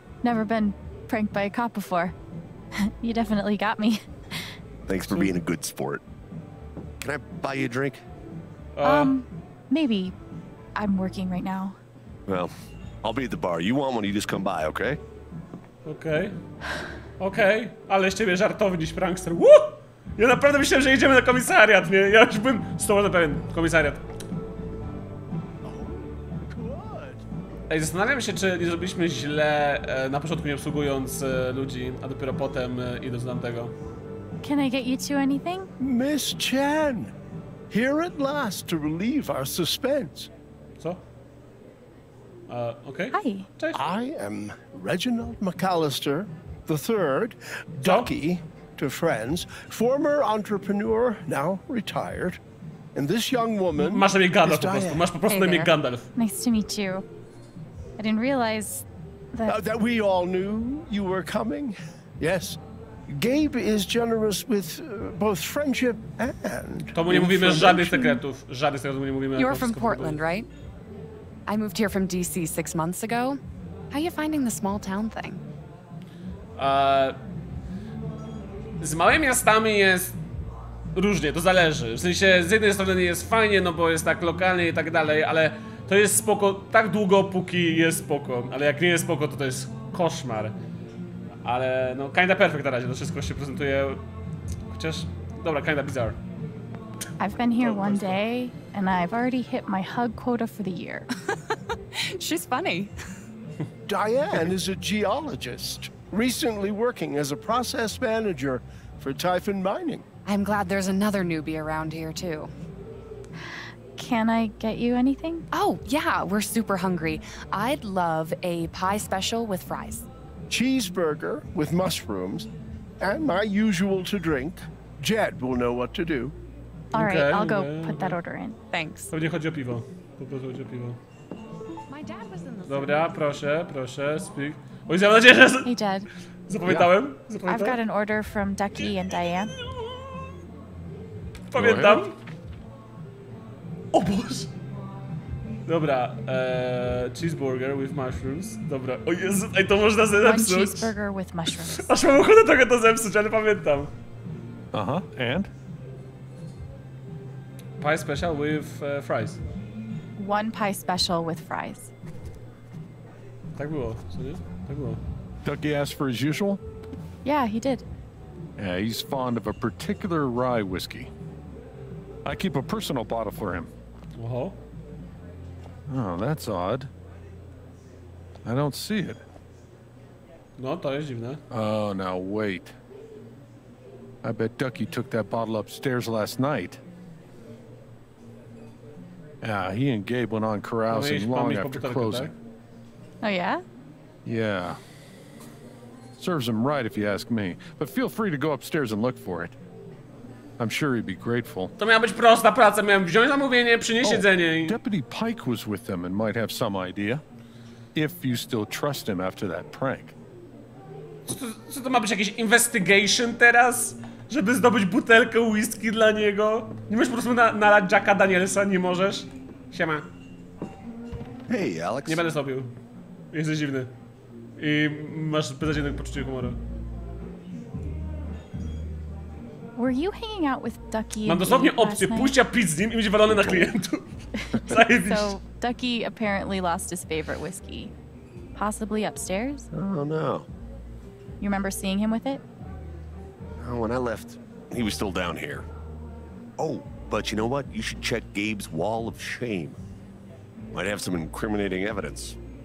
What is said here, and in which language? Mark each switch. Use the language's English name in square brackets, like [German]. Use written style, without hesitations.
[English] Never been pranked by a cop before. You definitely got me. Thanks for being a good sport. Can I buy you a drink? Maybe. I'm working right now. Well, I'll be at the bar. You want one, you just come by, okay? Okay. [Polish] Okej, okay, ale z ciebie żartowniś, prankster. Woo! Ja naprawdę myślałem, że idziemy na komisariat, nie? Ja już bym z tobą na pewien komisariat. Ej, zastanawiam się, czy nie zrobiliśmy źle na początku nie obsługując ludzi, a dopiero potem idąc do tego. [English] Can I get you two anything? Miss Chen, here at last to relieve our suspense. [Polish] Co? Okej. [English] Okay. Hi. [Polish] Cześć. [English] I am Reginald McAllister. The third, Ducky, to friends, former entrepreneur, now retired, and this young woman. [Polish] Masz na mnie Gandalf po prostu. Masz po prostu na mnie Gandalf. [English] Nice to meet you. I didn't realize that. That we all knew you were coming. Yes, Gabe is generous with both friendship and. [Polish] To mu nie mówimy żadnych sekretów. Żadnych sekretów mu nie mówimy. [English] You're from Portland, right? I moved here from DC 6 months ago. How are you finding the small town thing? [Polish] Z małymi miastami jest różnie, to zależy. W sensie, z jednej strony jest fajnie, no bo jest tak lokalnie i tak dalej, ale to jest spoko tak długo, póki jest spoko. Ale jak nie jest spoko, to jest koszmar. Ale no, [English] kinda perfect [Polish] na razie, to wszystko się prezentuje. Chociaż, dobra, [English] kinda bizarre. I've been here one day, and I've already hit my hug quota for the year. She's funny. Diane is a geologist, recently working as a process manager for Typhon Mining. I'm glad there's another newbie around here, too. Can I get you anything? Oh, yeah, we're super hungry. I'd love a pie special with fries. Cheeseburger with mushrooms, and my usual to drink. Jed will know what to do. All right, okay, I'll go put that order in. Thanks. [Polish] Pewnie chodzi o piwo. Po prostu chodzi o piwo. [English] My dad was in the [Polish] Dobra, same. Proszę, proszę, speak. Oj, mam nadzieję, że... [English] Hey, Jed. [Polish] Zapamiętałem? [English] Yeah. I've got an order from Ducky and Diane. [Polish] Pamiętam. O Boże. [English] Dobra, cheeseburger with mushrooms. [Polish] Dobra, o Jezu, ej, to można sobie zepsuć. [English] One cheeseburger with mushrooms. [Polish] Aż mam ochotę trochę to zepsuć, ale pamiętam. [English] Aha, and? Pie special with fries. One pie special with fries. [Polish] Tak było, serio? Tak było. [English] Ducky asked for his usual? Yeah, he did. Yeah, he's fond of a particular rye whiskey. I keep a personal bottle for him. Uh-huh. Oh, that's odd. I don't see it. [Polish] No, to jest dziwne. [English] Oh, now wait. I bet Ducky took that bottle upstairs last night. Yeah, he and Gabe went on carousing long after closing. Oh, yeah? Yeah. Serves him right if you ask me. But feel free to go upstairs and look for it. I'm sure he'd be grateful. [Polish] To miała być prosta praca, miałem wziąć zamówienie, przynieść jedzenie. [English] Oh, Deputy Pike was with them and might have some idea. If you still trust him after that prank. [Polish] Co to ma być, jakiś investigation teraz? Żeby zdobyć butelkę whisky dla niego? Nie możesz po prostu nalać Jacka Danielsa, nie możesz? Siema. [English] Hey, Alex. [Polish] Nie będę zrobił. Jesteś dziwny. I masz beznadziejne poczucie humoru. [English] Were you hanging out with Ducky? [Polish] Mam dosłownie opcję pójścia pić z nim i być walony na klientu. [English] So, Ducky apparently lost his favorite whiskey. Possibly upstairs? Oh no. You remember seeing him with it? Oh, when I left, he was still down here. Oh, but you know what? You should check Gabe's wall of shame. Might have some incriminating evidence.